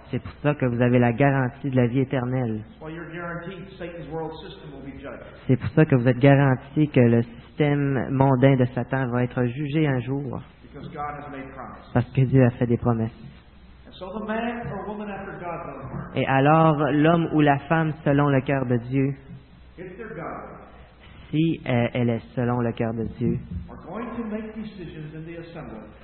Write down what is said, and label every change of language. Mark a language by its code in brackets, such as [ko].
[fr] C'est pour ça que vous avez la garantie de la vie éternelle. [en] That's why you're guaranteed Satan's world system will be judged. [fr] C'est pour ça que vous êtes garanti que le système mondain de Satan va être jugé un jour. [en] Because God has made promises. [fr] Parce que Dieu a fait des promesses. [en] And so the man or woman after God, [fr] et alors, l'homme ou la femme selon le cœur de Dieu, [en] if they're God, [fr] si elle est selon le cœur de Dieu, [en] are going to make decisions in the assembly.